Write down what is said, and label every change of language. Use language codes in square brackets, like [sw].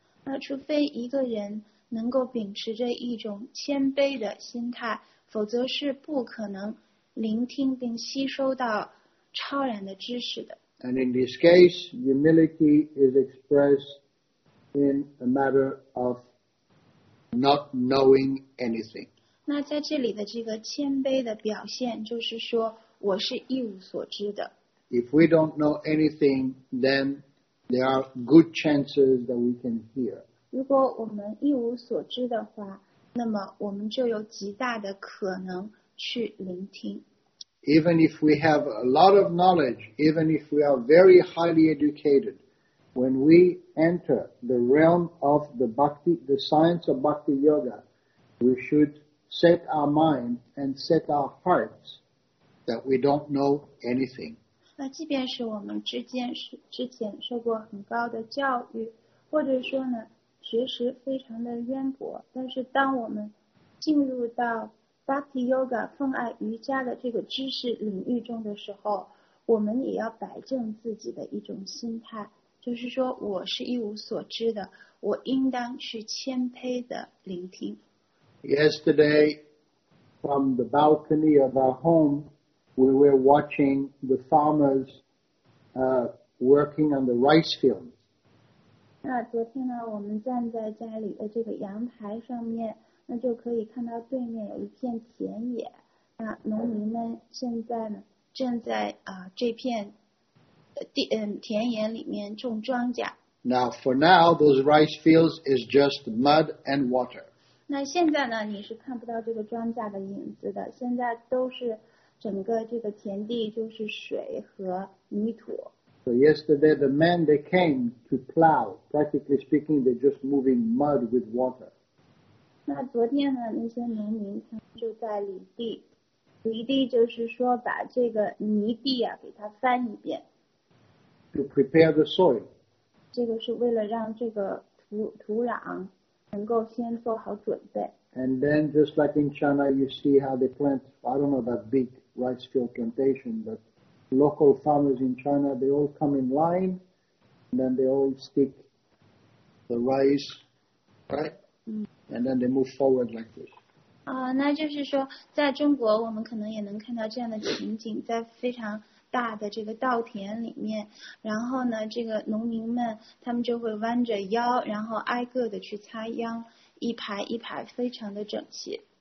[zh] 那除非一个人能够秉持着一种谦卑的心态，否则是不可能聆听并吸收到超然的知识的。 [en] And in this case, humility is expressed in a matter of not knowing anything. [zh] 那在这里的这个谦卑的表现就是说我是一无所知的。 [en] If we don't know anything, then there are good chances that we can hear. [zh] 如果我们一无所知的话，那么我们就有极大的可能去聆听。 [en] Even if we have a lot of knowledge, even if we are very highly educated, when we enter the realm of the bhakti, the science of bhakti yoga, we should set our mind and set our hearts that we don't know anything. [zh] 那即便是我们之前受过很高的教育，或者说呢，学识非常的渊博，但是当我们进入到Bhakti Yoga 奉爱瑜伽的这个知识领域中的时候，我们也要摆正自己的一种心态，就是说我是一无所知的，我应当去谦卑的聆听。 [en] Yesterday, from the balcony of our home, we were watching the farmers, working on the rice fields. [zh] 那昨天呢，我们站在家里的这个阳台上面。那就可以看到对面有一片田野，那农民们现在呢正在这片田野里面种庄稼。 [en] Now for now, those rice fields is just mud and water. [zh] 那现在呢，你是看不到这个庄稼的影子的，现在都是整个这个田地就是水和泥土。 [en] So yesterday the men they came to plow, practically speaking, they're just moving mud with water. [zh] 那昨天呢，那些农民他们就在犁地，犁地就是说把这个泥地啊给它翻一遍。 [en] To prepare the soil. [zh] 这个是为了让这个土壤能够先做好准备。 [en] And then just like in China, you see how they plant. I don't know about big rice field plantation, but local farmers in China they all come in line, and then they all stick the rice, right? And then they move forward like this. [zh] 那就是说，在中国，我们可能也能看到这样的情景，在非常大的这个稻田里面，然后呢，这个农民们他们就会弯着腰，然后挨个的去插秧，一排一排，非常的整齐。